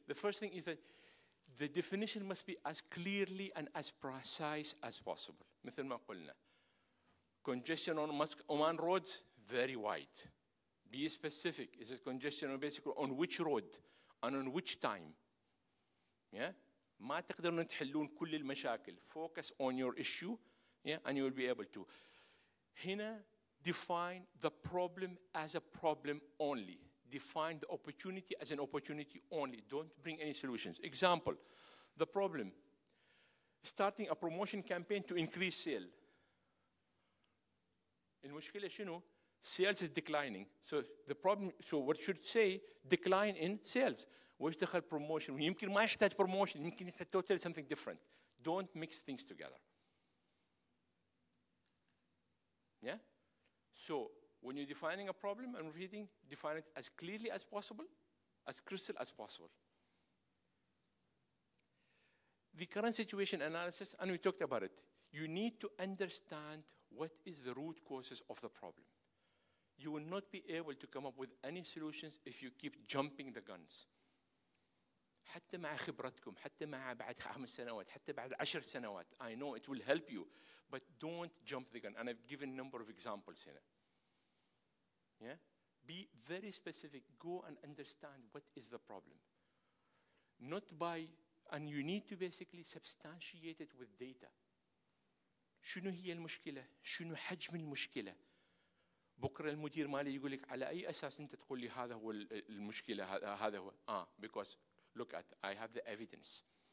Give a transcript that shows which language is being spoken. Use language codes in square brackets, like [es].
[en] The first thing is that The definition must be as clearly and as precise as possible. [ar] مثل ما قلنا. [en] Congestion on Oman roads, very wide. Be specific. Is it congestion or basically on which road and on which time? Yeah? [ar] ما تقدرون تحلون كل المشاكل. [en] Focus on your issue, yeah, and you will be able to. هنا, define the problem as a problem only. Define the opportunity as an opportunity only. Don't bring any solutions. Example, the problem. Starting a promotion campaign to increase sale. [ar] In mushkila shinu, [en] sales is declining. So the problem, so what should say, decline in sales. Wish to have promotion. [ar] يمكن ما يحتاج [en] promotion. [ar] يمكن يحتاج [en] totally something different. Don't mix things together. Yeah? So, When you're defining a problem and repeating, define it as clearly as possible, as crystal as possible. The current situation analysis, and we talked about it, you need to understand what is the root causes of the problem. You will not be able to come up with any solutions if you keep jumping the guns. [ar] حتى مع خبرتكم, حتى مع بعد 5 سنوات, حتى بعد 10 سنوات, [en] I know it will help you, but don't jump the gun. And I've given a number of examples here. Yeah, be very specific. Go and understand what is the problem. Not by, and you need to basically substantiate it with data. [ar] شنو هي المشكلة؟ شنو حجم المشكلة؟ بكرة المدير مالي يقول لك على أي أساس أنت تقول لي هذا هو المشكلة هذا هو؟ [en] Because look at, I have the evidence.